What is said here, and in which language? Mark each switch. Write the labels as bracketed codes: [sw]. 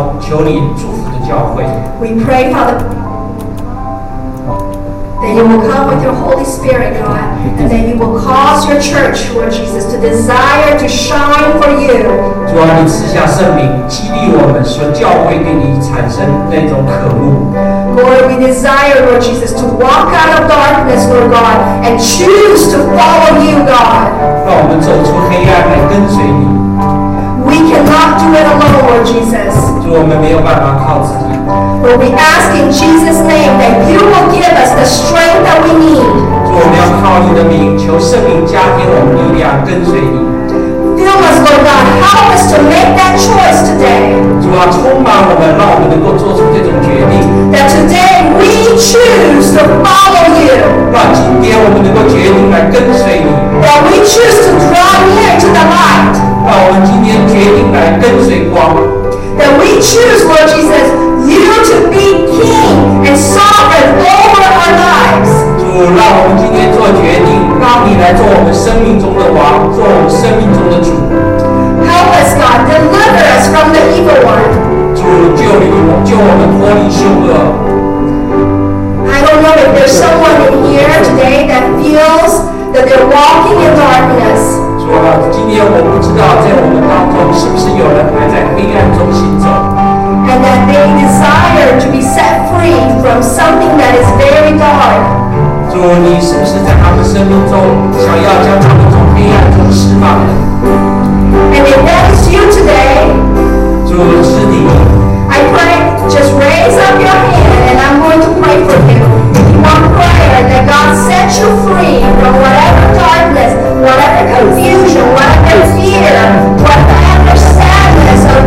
[en] We pray, Father, that you will come with your Holy Spirit, God, and that you will cause your church, Lord Jesus, to desire to shine for you. [zh] 主啊，你赐下圣灵，激励我们，使教会对你产生那种渴慕。 [en] Lord, we desire, Lord Jesus, to walk out of darkness, Lord God, and choose to follow you, God. [zh] 让我们走出黑暗来跟随你。 [en] We cannot do it alone, Lord Jesus. [zh] 主，我们没有办法靠自己。 [en] Lord, we ask in Jesus' name that you will give us the strength that we need. [zh] 主，我们要靠你的名，求圣灵加添我们力量，跟随你。 [en] Fill us, Lord God. Help us to make that choice today. [zh] 主啊，充满我们，让我们能够做出这种决定。 [en] That today we choose to follow you. [zh] 让今天我们能够决定来跟随你。 [en] That we choose to draw near to the light. [zh] 让我们今天决定来跟随光。 [en] That we choose, Lord Jesus. You to be king and sovereign over our lives. [zh] 主，让我们今天做决定，让你来做我们生命中的王，做我们生命中的主。 [en] Help us, God, deliver us from the evil one. [zh] 主，救我们脱离凶恶。 [en] I don't know if there's someone in here today that feels that they're walking in darkness. [zh] 主啊，今天我不知道在我们当中是不是有人还在黑暗中行走。 [en] And that they desire to be set free from something that is very dark. [zh] 主，你是不是在他们生命中想要将他们从黑暗中释放呢？ [en] And if that is you today, [zh] 主是你。 [en] I pray, just raise up your hand, and I'm going to pray for you. If you want prayer that God sets you free from whatever darkness, whatever confusion, whatever fear, whatever sadness.